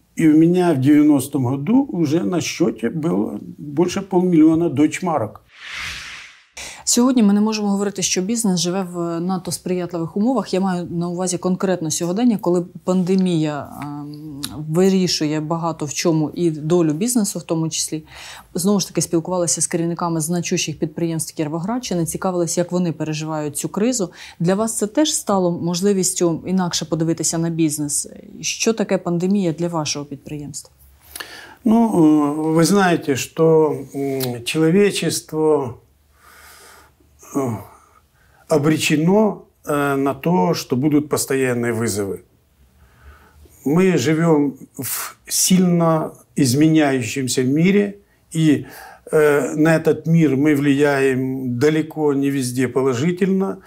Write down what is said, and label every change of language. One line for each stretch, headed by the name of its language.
Russian: И у меня в 90-м году уже на счете было больше полмиллиона дойчмарок.
Ukrainian: Сьогодні ми не можемо говорити, що бізнес живе в надто сприятливих умовах. Я маю на увазі конкретно сьогодення, коли пандемія вирішує багато в чому і долю бізнесу в тому числі. Знову ж таки, спілкувалися з керівниками значущих підприємств Кіровоградщини, цікавилися, як вони переживають цю кризу. Для вас це теж стало можливістю інакше подивитися на бізнес? Що таке пандемія для вашого підприємства? Ну, ви знаєте, що
Russian: чоловічество обречено на то, что будут постоянные вызовы. Мы живем в сильно изменяющемся мире, и на этот мир мы влияем далеко не везде положительно.